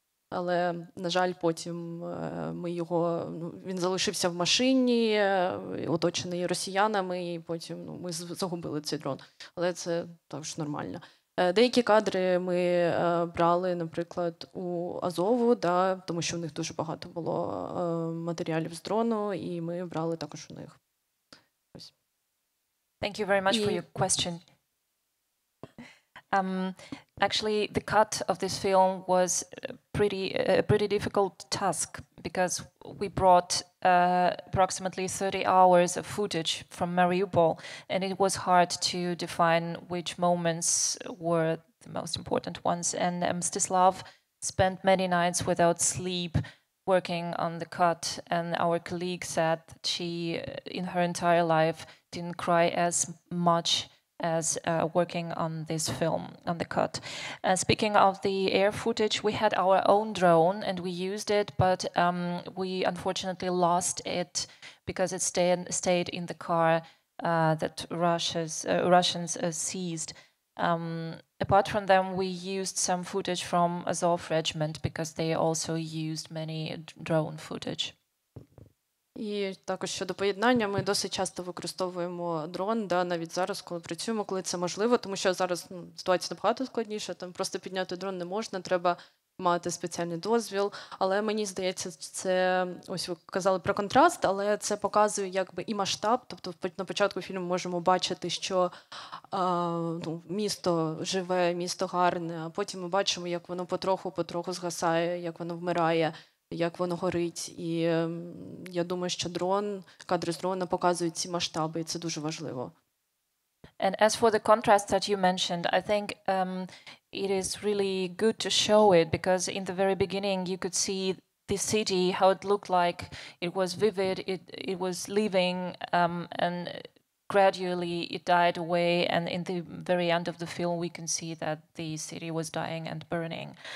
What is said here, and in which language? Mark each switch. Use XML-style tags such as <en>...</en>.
<uk>Але, на жаль, потім ми його, він залишився в машині, оточений росіянами, і потім, ну, ми загубили цей дрон. Але це також нормально. Деякі кадри ми брали, наприклад, у Азову, да, тому що в них дуже багато було матеріалів з дрону, і ми брали також у них. Ось.</uk> <en>Thank you very much for your question. Actually, the cut of this film was a pretty difficult task because we brought approximately 30 hours of footage from Mariupol, and it was hard to define which moments were the most important ones. And Mstislav spent many nights without sleep working on the cut, and our colleague said that she, in her entire life, didn't cry as much as working on this film, on the cut. Speaking of the air footage, we had our own drone and we used it, but we unfortunately lost it because it stayed in the car that Russians seized. Apart from them, we used some footage from Azov regiment because they also used many drone footage.</en> <uk>І також щодо поєднання, ми досить часто використовуємо дрон, да, навіть зараз, коли працюємо, коли це можливо, тому що зараз, ну, ситуація набагато складніша, там просто підняти дрон не можна, треба мати спеціальний дозвіл. Але мені здається, це, ось ви казали про контраст, але це показує якби і масштаб, тобто на початку фільму можемо бачити, що ну, місто живе, місто гарне, а потім ми бачимо, як воно потроху-потроху згасає, як воно вмирає, як воно горить. І я думаю, що дрон, кадри з дрона показують ці масштаби, і це дуже важливо.</uk> <en>And as for the contrast that you mentioned, I think it is really good to show it, because in the very beginning you could see the city, how it looked like. It was vivid, it was living, and gradually it died away, and in the very end of the film we can see that the city was dying and burning.</en>